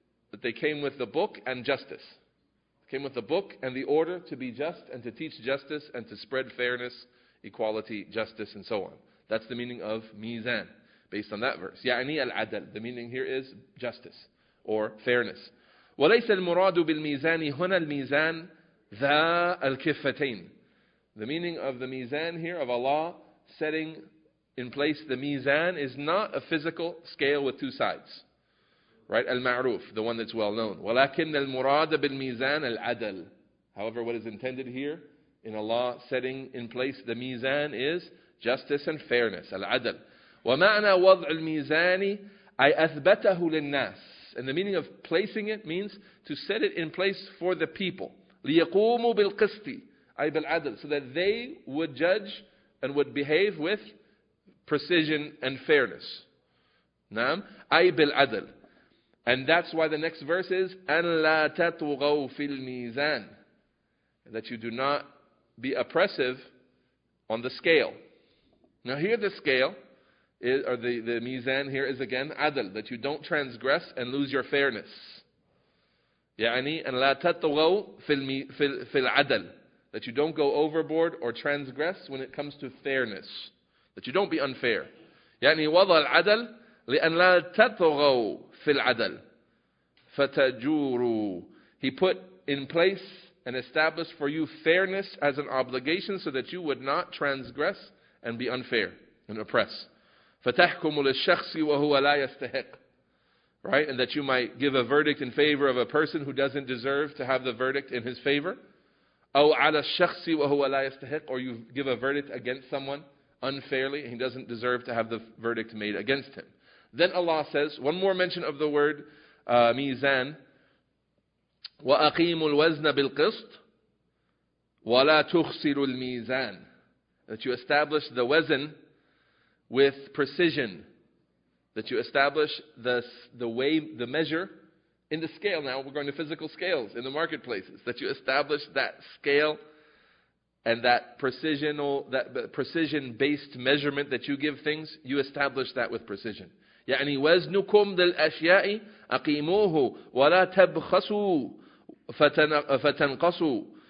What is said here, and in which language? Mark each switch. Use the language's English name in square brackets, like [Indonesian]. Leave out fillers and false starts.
[English] That they came with the book and justice. Came with the book and the order to be just and to teach justice and to spread fairness, equality, justice, and so on. That's the meaning of mizan, based on that verse. [Arabic] يعني العدل. [English] The meaning here is justice or fairness. [Arabic] وليس المراد بالميزان هنا الميزان ذا الكفتين. [English] The meaning of the mizan here, of Allah setting in place the mizan, is not a physical scale with two sides. Right? [Arabic] Al-ma'ruf, [English] the one that's well known. [Arabic] ولكن المراد بالميزان العدل. [English] However, what is intended here in Allah setting in place the mizan is justice and fairness. [Arabic] Al-adl. ومعنى وضع الميزان أي أثبته للناس. [English] And the meaning of placing it means to set it in place for the people. [Arabic] ليقوموا بالقسط أي بالعدل. [English] So that they would judge and would behave with precision and fairness. [Arabic] نعم. أي بالعدل. [English] And that's why the next verse is [Arabic] أن لا تطغوا في الميزان. [English] That you do not be oppressive on the scale. Now here the scale is, or the ميزان here is again عدل. That you don't transgress and lose your fairness. [Arabic] يعني أن لا تطغوا في العدل. [English] That you don't go overboard or transgress when it comes to fairness. That you don't be unfair. [Arabic] يعني وضع العدل لأن لا تطغوا في العدل فتجوروا. [English] He put in place and established for you fairness as an obligation so that you would not transgress and be unfair and oppress. [Arabic] فتحكم للشخص وهو لا يستحق. [English] right? And that you might give a verdict in favor of a person who doesn't deserve to have the verdict in his favor. [Arabic] أو على الشخص وهو لا يستحق, [English] or you give a verdict against someone unfairly, and he doesn't deserve to have the verdict made against him. Then Allah says, one more mention of the word ميزان. [Arabic] وَأَقِيمُ الْوَزْنَ بِالْقِسْطِ وَلَا تُخْسِرُ الْمِيزَانِ, [English] that you establish the wazn with precision, that you establish the measure in the scale. Now we're going to physical scales in the marketplaces, that you establish that scale and that precision based measurement that you give things, you establish that with precision. [Arabic] يعني وزنكم للأشياء أقيموه ولا تبخسوا فتنقصوا.